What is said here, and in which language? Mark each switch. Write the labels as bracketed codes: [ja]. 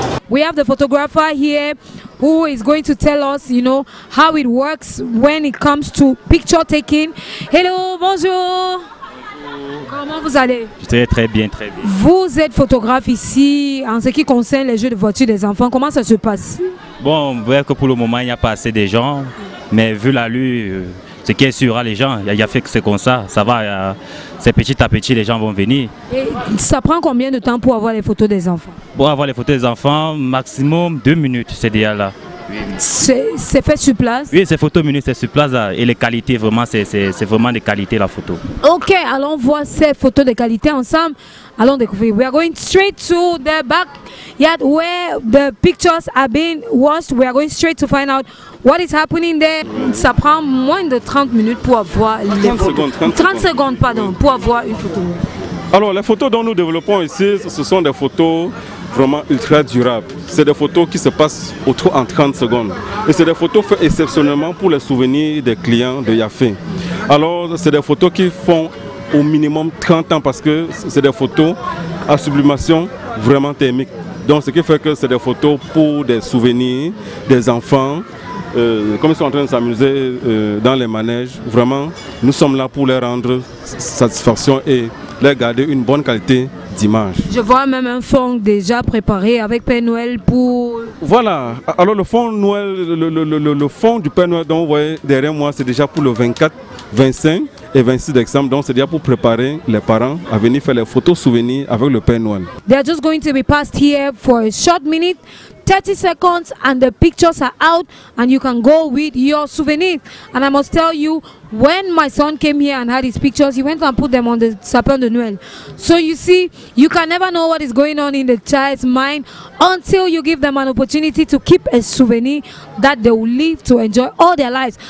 [en] We have the photographer here who is going to tell us, you know, how it works when it comes to picture taking. [fr] Hello, bonjour. Comment vous allez? Très très bien, très bien. Vous êtes photographe ici en ce qui concerne les jeux de voiture des enfants. Comment ça se passe? Bon, vrai que pour le moment, il n'y a pas assez de gens, mais vu la lue, ce qui est sûr, les gens, il y a fait que c'est comme ça, ça va, c'est petit à petit, les gens vont venir. Et ça prend combien de temps pour avoir les photos des enfants? Pour avoir les photos des enfants, maximum 2 minutes, c'est déjà là. C'est fait sur place? Oui, c'est photo minute, c'est sur place là. Et les qualités, vraiment, c'est vraiment de qualité la photo. Ok, allons voir ces photos de qualité ensemble. Allons découvrir. [en] We are going straight to the backyard where the pictures are being washed. We are going straight to find out what is happening there. [fr] Ça prend moins de 30 minutes pour avoir les 30 secondes, 30 secondes, pardon, oui. Pour avoir une photo. Alors, les photos dont nous développons ici, ce sont des photos vraiment ultra durable. C'est des photos qui se passent autour en 30 secondes. Et c'est des photos faites exceptionnellement pour les souvenirs des clients de Yafé. Alors, c'est des photos qui font au minimum 30 ans parce que c'est des photos à sublimation vraiment thermique. Donc, ce qui fait que c'est des photos pour des souvenirs, des enfants, comme ils sont en train de s'amuser dans les manèges. Vraiment, nous sommes là pour leur rendre satisfaction et leur garder une bonne qualité d'image. Je vois même un fond déjà préparé avec Père Noël pour... Voilà, alors le fond Noël, le fond du Père Noël dont vous voyez derrière moi, c'est déjà pour le 24, 25 et 26 décembre. Donc c'est déjà pour préparer les parents à venir faire les photos souvenirs avec le Père Noël. [en] They are just going to be passed here for a short minute 30 seconds and the pictures are out and you can go with your souvenir. And I must tell you, when my son came here and had his pictures, he went and put them on the [fr] Sapin de Noël. [en] So you see, you can never know what is going on in the child's mind until you give them an opportunity to keep a souvenir that they will live to enjoy all their lives.